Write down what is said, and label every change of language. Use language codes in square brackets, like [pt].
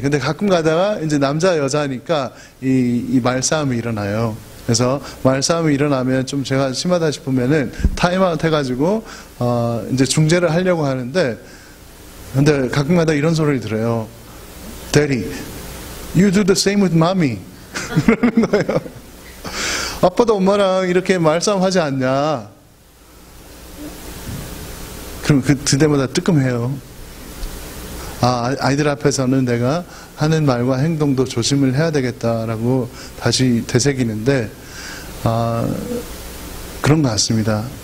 [ko] 근데 가끔 가다가 이제 남자, 여자니까 이 말싸움이 일어나요. 그래서 말싸움이 일어나면 좀 제가 심하다 싶으면은 타임아웃 해가지고, 이제 중재를 하려고 하는데, 근데 가끔 가다 이런 소리를 들어요. [en] Daddy, you do the same with mommy. [ko] 그러는 거예요. 아빠도 엄마랑 이렇게 말싸움 하지 않냐. 그럼 그 때마다 뜨끔해요. 아이들 앞에서는 내가 하는 말과 행동도 조심을 해야 되겠다라고 다시 되새기는데 그런 것 같습니다.